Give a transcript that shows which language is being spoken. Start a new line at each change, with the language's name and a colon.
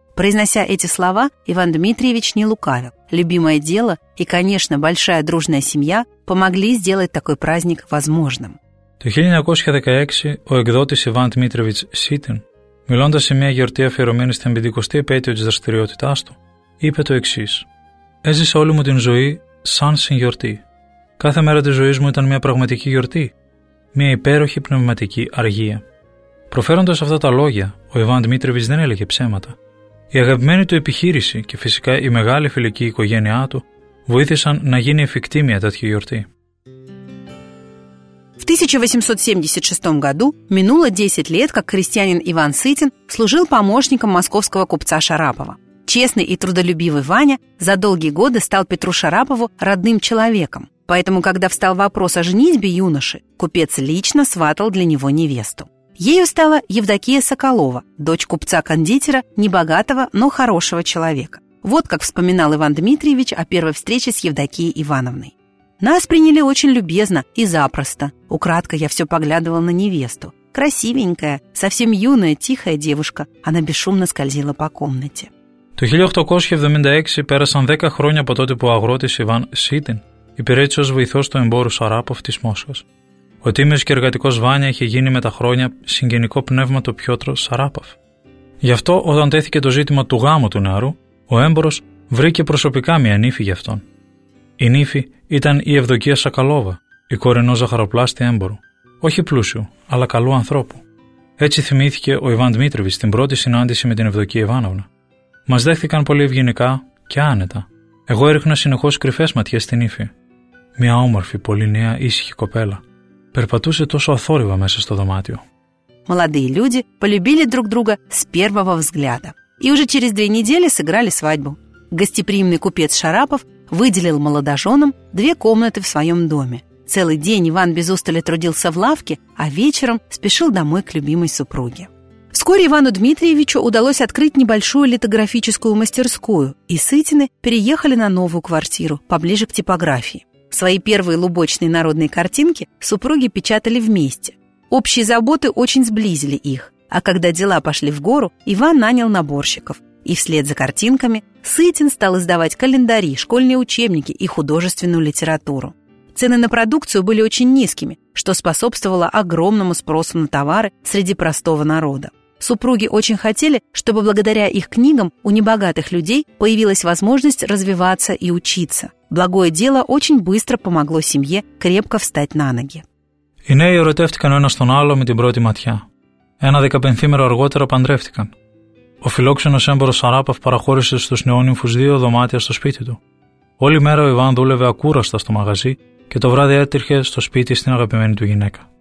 Russian: Произнося эти слова, Иван Дмитриевич не лукавил. Любимое дело и, конечно, большая дружная семья помогли сделать такой праздник возможным.
Greek: Το 1916 ο εκδότης Ιβάν Δημήτριεβιτς Σίτιν, μιλώντας σε μια γιορτή αφιερωμένη στην 50η επέτειο της δραστηριότητάς του, είπε το εξής: «Έζησα όλη μου την ζωή σαν συγγιορτή. Κάθε μέρα της ζωής μου ήταν μια πραγματική γιορτή, μια υπέροχη πνευματική αργία». Προφέροντας αυτά τα λόγια, ο Ιβάν Δημήτριεβιτς δεν έλεγε ψέματα. Η αγαπημένη του επιχείρηση και φυσικά η μεγάλη φιλική οικογένειά του βοήθησαν να γίνει εφικτή μια τέτοια γιορτή.
Russian: В 1876 году минуло 10 лет, как крестьянин Иван Сытин служил помощником московского купца Шарапова. Честный и трудолюбивый Ваня за долгие годы стал Петру Шарапову родным человеком. Поэтому, когда встал вопрос о женитьбе юноши, купец лично сватал для него невесту. Ею стала Евдокия Соколова, дочь купца-кондитера, небогатого, но хорошего человека. Вот как вспоминал Иван Дмитриевич о первой встрече с Евдокией Ивановной: «Нас приняли очень любезно и запросто. Украдкой я все поглядывал на невесту. Красивенькая, совсем юная, тихая девушка. Она бесшумно скользила по комнате».
Greek: Το 1876 πέρασαν 10 χρόνια από τότε που ο αγρότης Ιβάν Σίτιν υπηρέτησε ως βοηθός του εμπόρου Σαράποφ της Μόσχας. Ο τίμιος και εργατικός Βάνια είχε γίνει με τα χρόνια συγγενικό πνεύμα του Πιότρο Σαράποφ. Γι' αυτό, όταν τέθηκε το ζήτημα του γάμου του νεαρού, ο έμπορος βρήκε προσωπικά μια νύφη για αυτόν. Η νύφη ήταν η Ευδοκία Σακαλόβα, η κόρη ενός ζαχαροπλάστη έμπορου. Όχι πλούσιου, αλλά καλού ανθρώπου. Έτσι θυμήθηκε ο Ιβάν Δημήτριβιτς στην πρώτη συνάντηση με την Ευδοκία Ιβάνοβνα. Μας δέχθηκαν πολύ ευγενικά και άνετα. Εγώ έριχνα συνεχώς κρυφές ματιές στην ύφη. Μια όμορφη, πολύ νέα, ήσυχη κοπέλα. Περπατούσε τόσο αθόρυβα μέσα στο δωμάτιο.
Russian: Молодые люди полюбили друг друга с первого взгляда и уже через две недели сыграли свадьбу. Гостеприимный купец Шарапов выделил молодоженам две комнаты в своем доме. Целый день Иван без устали трудился в лавке, а вечером спешил домой к любимой супруге. Вскоре Ивану Дмитриевичу удалось открыть небольшую литографическую мастерскую, и Сытины переехали на новую квартиру, поближе к типографии. Свои первые лубочные народные картинки супруги печатали вместе. Общие заботы очень сблизили их, а когда дела пошли в гору, Иван нанял наборщиков. И вслед за картинками Сытин стал издавать календари, школьные учебники и художественную литературу. Цены на продукцию были очень низкими, что способствовало огромному спросу на товары среди простого народа. Супруги очень хотели, чтобы благодаря их книгам у небогатых людей появилась возможность развиваться и учиться. Благое дело очень быстро помогло семье крепко встать на ноги.
Greek: Οι νέοι ερωτεύτηκαν ο ένας τον άλλο με την πρώτη ματιά. Ένα δεκαπενθήμερο αργότερα παντρεύτηκαν. Ο φιλόξενος έμπορος Σαράποφ παραχώρησε στους νεόνυμφους δύο δωμάτια στο σπίτι του. Όλη μέρα ο Ιβάν δούλευε ακούραστα στο μαγαζί και το βράδυ έτυχε στο σπίτι στην αγαπημένη του γυναίκα.